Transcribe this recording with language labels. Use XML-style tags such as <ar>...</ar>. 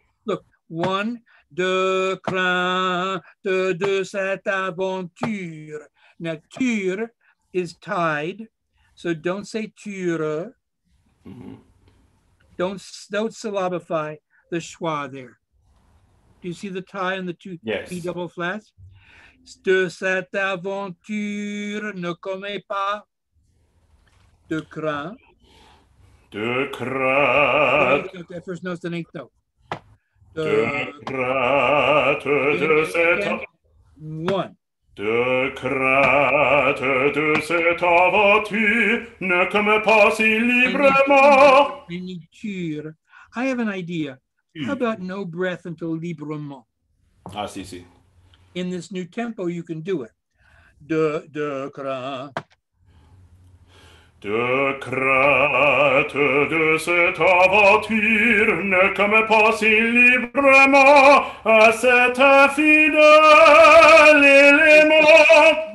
<en>Look, one.</en> <fr>De crainte de cette aventure.</fr> <en>Now, tur is tied, so don't say ture. Mm-hmm. Don't syllabify the schwa there. Do you see the tie on the two yes. P double flats?</en> <fr>De cette aventure ne commet pas de crainte. De crainte.</fr> <en>That first note's an eighth note.</en> <fr>De crainte de cette.</fr> <en>One.</en> <fr>De crainte de cette aventure ne commet pas si librement.</fr> <en>I have an idea. How about no breath until librement?</en> <fr>Ah, si, si.</fr> <en>In this new tempo, you can do it.</en> <fr>De crainte. De crainte de cette aventure ne commet pas si librement à cet infidèle élément.</fr>